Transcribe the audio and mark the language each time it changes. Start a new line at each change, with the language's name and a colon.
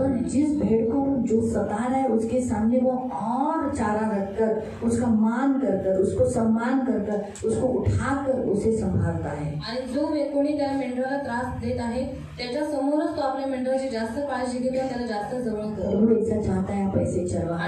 Hindi: जिस भेड़ को जो सता रहा है उसके सामने वो और चारा रखकर उसका मान करकर उसको सम्मान करकर उसको उठाकर उसे संभालता है।
Marathi: जो कोणी त्या मेंढराला त्रास देत आहे त्याच्या समोरच तो आपल्या मेंढराची जास्त काळजी घेतो, त्याला जास्त जवळ
Hindi: करतो, चाहता है आप ऐसे चरवाहा।